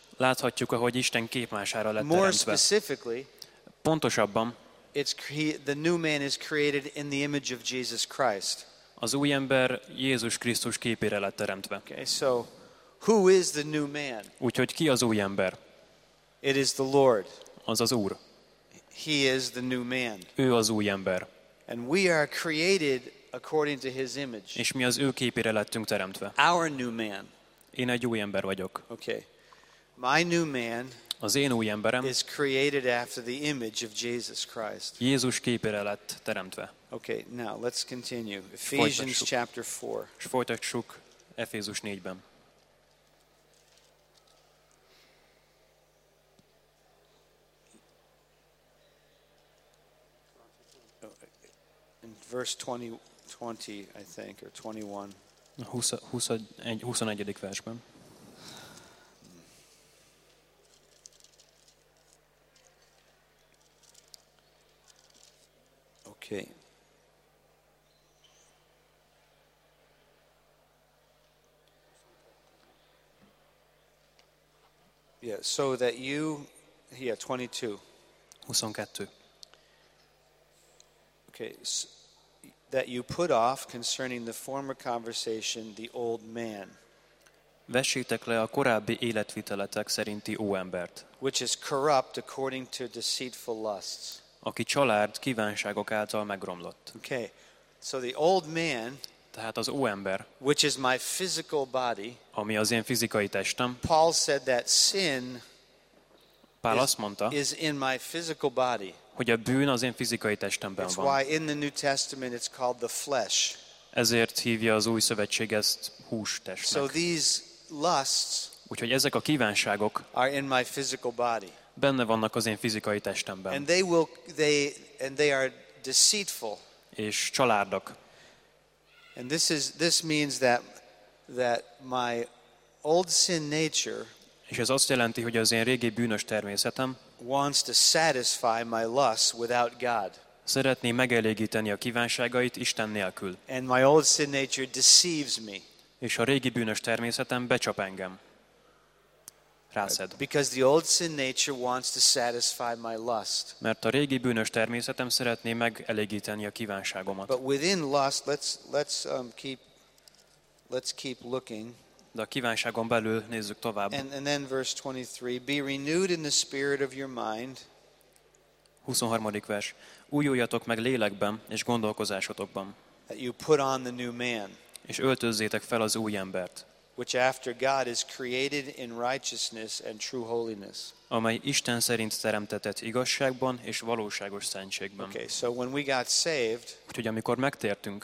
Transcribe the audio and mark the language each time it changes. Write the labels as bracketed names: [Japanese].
[Hungarian] Láthatjuk, ahogy Isten képmására lett [English] More [Hungarian] teremtve. [English] More specifically. [Hungarian] Pontosabban. [English] The new man is created in the image of Jesus Christ. [Hungarian] Az új ember Jézus Krisztus képére lett teremtve. [English] Okay, so who is the new man? [Hungarian] Úgyhogy ki az új ember? [English] It is the Lord. [Hungarian] Az az Úr. [English] He is the new man. [Hungarian] Ő az új ember. [English] And we are created according to his image. [Hungarian] És mi az ő képére lettünk teremtve. [English] Our new man. [Hungarian] Én egy új ember vagyok. [English] Okay. My new man. [Hungarian] Az én új emberem. [English] Is created after the image of Jesus Christ. [Hungarian] Jézus képére lett teremtve. [English] Okay, now let's continue. Ephesians chapter 4. [Hungarian] És folytassuk Efézus 4-ben. [English] Verse 20, I think, or [Hungarian] 21. 21. versben. [English] Okay. Okay. Yeah, so that you, yeah, 22. Okay, so that you put off concerning the former conversation the old man. [Hungarian] Vessétek le a korábbi életviteletek szerinti óembert. [English] Which is corrupt according to deceitful lusts. [Hungarian] Aki csalárd kívánságok által megromlott. [English] Okay, so the old man. [Hungarian] Tehát az óember, [English] which is my physical body, [Hungarian] ami az én fizikai testem. [English] Paul said that sin [Hungarian] Pál azt mondta, [English] is in my physical body. [Hungarian] Hogy a bűn az én fizikai testemben [English] it's [Hungarian] van. [English] Why in the New Testament it's called the flesh. [Hungarian] Ezért hívja az Új Szövetség ezt hústestnek. [English] So these lusts, [Hungarian] úgyhogy ezek a kívánságok [English] are in my physical body. [Hungarian] Benne vannak az én fizikai testemben. [English] And they are deceitful. [Hungarian] És csalárdak. [English] And this means that my old sin nature, [Hungarian] és ez azt jelenti, hogy az én régi bűnös természetem, [English] wants to satisfy my lust without God. [Hungarian] Szeretné megelégíteni a kívánságait Isten nélkül. [English] And my old sin nature deceives me. [Hungarian] És a régi bűnös természetem becsap engem. Rászed. [English] Because the old sin nature wants to satisfy my lust. [Hungarian] Mert a régi bűnös természetem szeretné megelégíteni a kívánságomat. [English] But within lust, let's keep looking. [Hungarian] De a kívánságon belül nézzük tovább. [English] And then verse 23, be renewed in the spirit of your mind. [Hungarian] 23. vers. Újuljatok meg lélekben és gondolkozásotokban. [English] That you put on the new man. [Hungarian] És öltözzétek fel az új embert. [English] Which after God is created in righteousness and true holiness. [Hungarian] Amely Isten szerint teremtetett igazságban és valóságos szentségben. [English] Okay, so when we got saved, [Hungarian] úgyhogy amikor megtértünk,